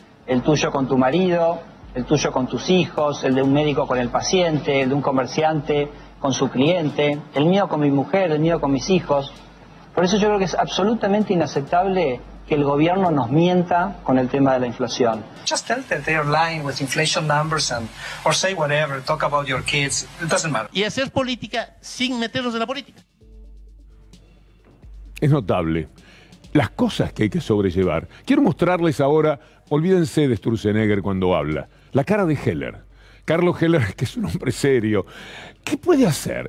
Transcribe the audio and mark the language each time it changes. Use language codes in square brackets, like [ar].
[es] El tuyo con tu marido, el tuyo con tus hijos, el de un médico con el paciente, el de un comerciante con su cliente, el mío con mi mujer, el mío con mis hijos. Por eso yo creo que es absolutamente inaceptable que el gobierno nos mienta con el tema de la inflación. [en] Just tell that they are lying with inflation numbers and or say whatever, talk about your kids, it doesn't matter. [es] Y hacer política sin meternos en la política. Es notable. Las cosas que hay que sobrellevar. Quiero mostrarles ahora, olvídense de Sturzenegger cuando habla, la cara de Heller. Carlos Heller, que es un hombre serio, ¿qué puede hacer?